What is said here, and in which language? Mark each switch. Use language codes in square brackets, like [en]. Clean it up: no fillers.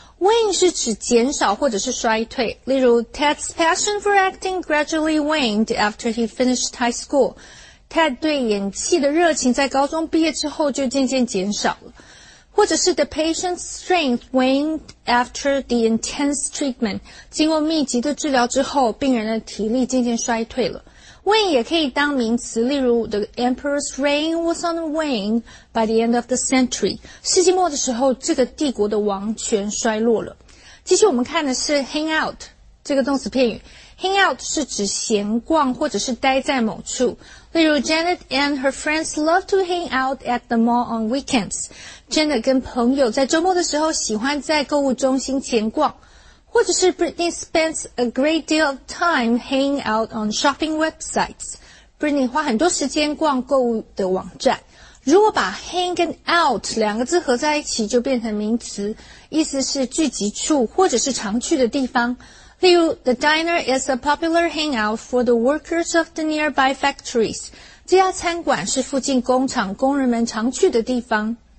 [en] Wane [zh] 是指减少或者是衰退，例如 [en] Ted's passion for acting gradually waned after he finished high school. [zh] Ted 对演戏的热情在高中毕业之后就渐渐减少了，或者是 [en] the patient's strength waned after the intense treatment. [zh] 经过密集的治疗之后，病人的体力渐渐衰退了。 [en] Wane [zh] 也可以当名词，例如 [en] The Emperor's reign was on the wane by the end of the century. [zh] 世纪末的时候，这个帝国的王权衰落了。继续我们看的是 hang out 这个动词片语。Hang out 是指闲逛或者是待在某处。例如 [en] Janet and her friends love to hang out at the mall on weekends. [zh] Janet 跟朋友在周末的时候喜欢在购物中心闲逛。或者是 [en] Britney spends a great deal of time hanging out on shopping websites. [zh] Britney 花很多时间逛购物的网站。如果把 hang out 两个字合在一起就变成名词，意思是聚集处或者是常去的地方。例如 [en] The diner is a popular hangout for the workers of the nearby factories. [zh] 这家餐馆是附近工厂工人们常去的地方。